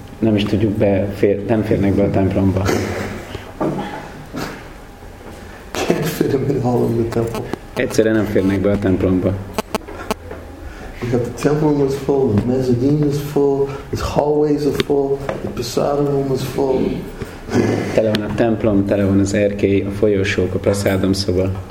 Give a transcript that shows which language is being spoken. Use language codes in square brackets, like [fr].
[hu] Nem is tudjuk nem férnek be a templomba. [en] Can't fit them in all of the temple. [hu] Egyszerűen nem férnek be a templomba. [en] We got the temple room is full. The mezzanine is full. The hallways are full. The posada room is full. [hu] Tele van a templom, tele van az erkély, a folyosók, a prasádom szoba.